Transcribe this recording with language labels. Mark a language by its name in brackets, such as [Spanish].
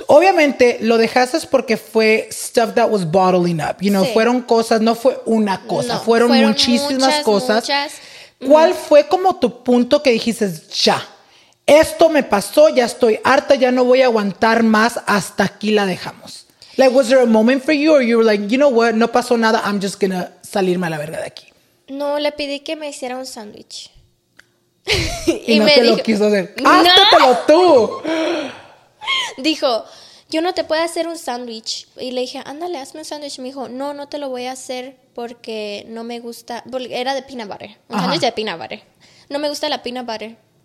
[Spanish] Obviamente lo dejaste porque [English] fue stuff that was bottling up, you know, [Spanish] sí. Fueron cosas, no fue una cosa, no, fueron muchísimas cosas. Muchas. ¿Cuál fue como tu punto que dijiste, ya, esto me pasó, ya estoy harta, ya no voy a aguantar más, hasta aquí la dejamos? [English] Like, was there a moment for you, or you were like, you know what, [Spanish] no pasó nada, [English] I'm just gonna [Spanish] salirme a la verga de aquí? No, le pedí que me hiciera un sándwich. Y no me te dijo, lo quiso hacer. ¡Háztetelo tú! Dijo, yo no te puedo hacer un sándwich. Y le dije, ándale, hazme un sándwich. Me dijo, no, no te lo voy a hacer porque no me gusta. Porque era de peanut butter. Un sándwich de peanut butter. No me gusta la peanut butter.